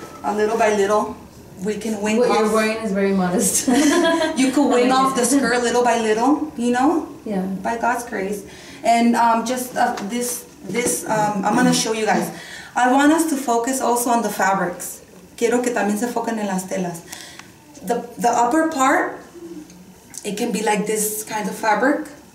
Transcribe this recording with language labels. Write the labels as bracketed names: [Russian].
[English] A little by little, we can wing what off. What you're wearing is very modest. You could wing off the skirt little by little, you know? Yeah. By God's grace. And I'm going to show you guys. I want us to focus also on the fabrics. [Spanish] Quiero que también se enfoquen en las telas. [English] The upper part, it can be like this kind of fabric.